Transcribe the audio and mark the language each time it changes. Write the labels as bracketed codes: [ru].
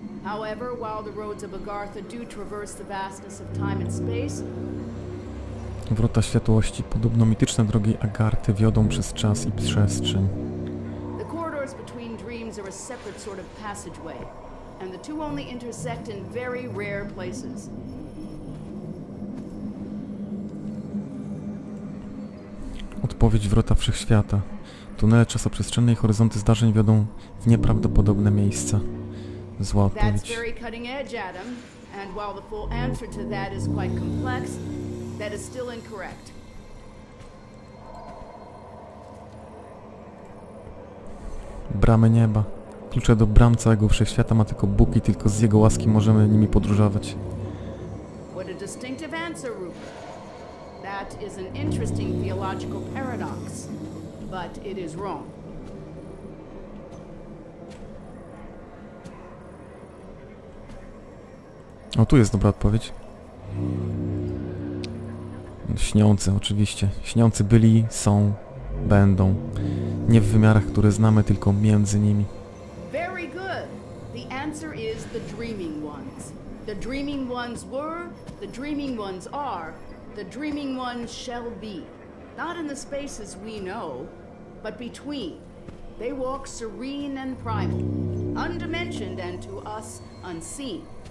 [en] However, while the roads of Agartha do traverse the vastness of time and space. [pl] Wrota światłości, podobno mityczne drogi Agarty, wiodą przez czas i przestrzeń. [en] The corridors between dreams are a separate sort of passageway, and the two only intersect in very rare places. [pl] Odpowiedź: wrota wszechświata. Tunele czasoprzestrzenne i horyzonty zdarzeń wiodą w nieprawdopodobne miejsca. Zła odpowiedź. [en] That's very cutting edge, Adam. And while the full answer to that is quite complex, that is still incorrect. [pl] Bramy nieba. Klucze do bram całego wszechświata ma tylko Bóg i tylko z jego łaski możemy nimi podróżować. [en] What a distinctive answer, Rupert. That is an interesting theological paradox, but it is wrong. [pl] O, tu jest dobra odpowiedź. Śniący, oczywiście. Śniący byli, są, będą. Nie w wymiarach, które znamy, tylko między nimi. [en] Very good. The answer is the dreaming ones. The dreaming ones were, the dreaming ones are, the dreaming ones shall be. Not in the spaces we know, but between. They walk serene and primal, undimensioned and to us unseen.